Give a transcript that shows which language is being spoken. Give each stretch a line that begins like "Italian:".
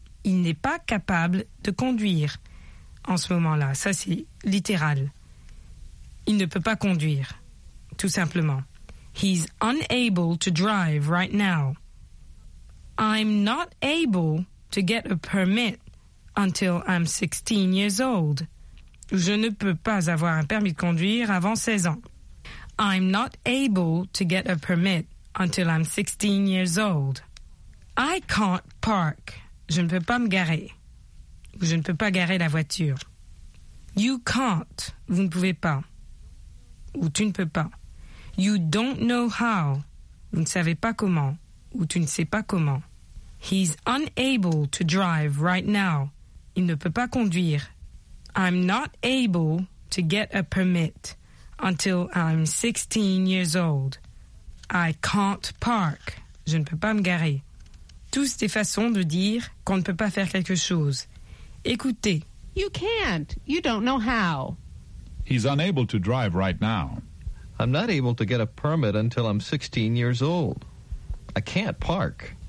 French: Il n'est pas capable de conduire en ce moment-là. Ça, c'est littéral. Il ne peut pas conduire, tout simplement.
English: He's unable to drive right now. I'm not able to get a permit until I'm 16 years old.
French: Je ne peux pas avoir un permis de conduire avant 16 ans.
English: I'm not able to get a permit until I'm 16 years old. I can't park.
French: Je ne peux pas me garer. Je ne peux pas garer la voiture.
English: You can't.
French: Vous ne pouvez pas. Ou tu ne peux pas.
English: You don't know how.
French: Vous ne savez pas comment. Ou tu ne sais pas comment.
English: He's unable to drive right now.
French: Il ne peut pas conduire.
English: I'm not able to get a permit until I'm 16 years old. I can't park.
French: Je ne peux pas me garer. Tous des façons de dire qu'on ne peut pas faire quelque chose. Écoutez.
English: You can't. You don't know how. He's unable to drive right now. I'm not able to get a permit until I'm 16 years old. I can't park.